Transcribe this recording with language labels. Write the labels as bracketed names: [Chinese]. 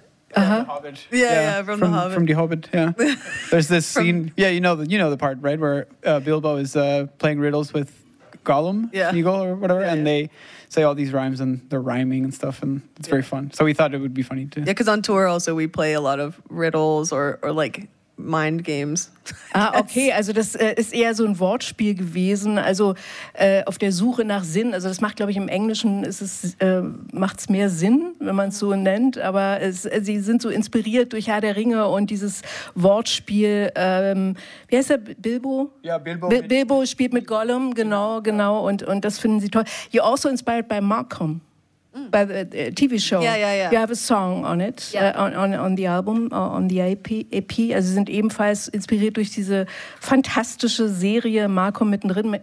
[English] From the Hobbit. There's this scene. Yeah, you know the part, right? Where Bilbo is playing riddles with Gollum, Sméagol or whatever, and they say all these rhymes and they're rhyming and stuff, and it's very fun. So we thought it would be funny too. Yeah, because on tour also we play a lot of riddles or like mind games. [German] Ah, okay, also das ist eher so ein Wortspiel gewesen, also auf der Suche nach Sinn, also das macht, glaube ich, im Englischen ist es, macht's mehr Sinn, wenn man es so nennt, aber es, sie sind so inspiriert durch Herr der Ringe und dieses Wortspiel, wie heißt er, Bilbo? Ja, Bilbo. Bilbo spielt mit Gollum, genau, und das finden sie toll. [English] You're also inspired by Malcolm. By the TV show. Yeah. You have a song on it, on the album, on the EP. [German] Also sie sind ebenfalls inspiriert durch diese fantastische Serie Malcolm mittendrin.